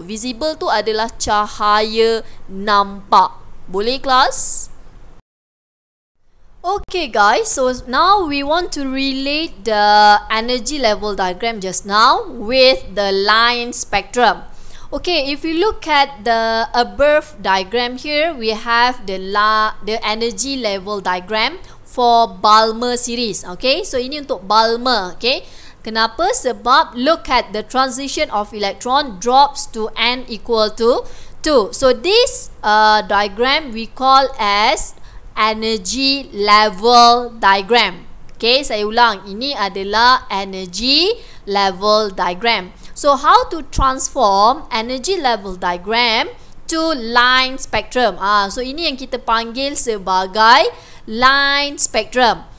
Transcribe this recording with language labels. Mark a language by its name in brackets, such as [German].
[Malay] Visible tu adalah cahaya nampak. Boleh kelas? [English] Okay guys, so now we want to relate the energy level diagram just now with the line spectrum. Okay, if you look at the above diagram here, we have the energy level diagram for Balmer series. Okay, so [Malay] ini untuk Balmer. [English] Okay, [Malay] kenapa? Sebab [English] look at the transition of electron drops to n equal to 2. So this diagram we call as energy level diagram. [Malay] Okay, saya ulang. Ini adalah energy level diagram. [English] So how to transform energy level diagram to line spectrum? [Malay] So ini yang kita panggil sebagai line spectrum.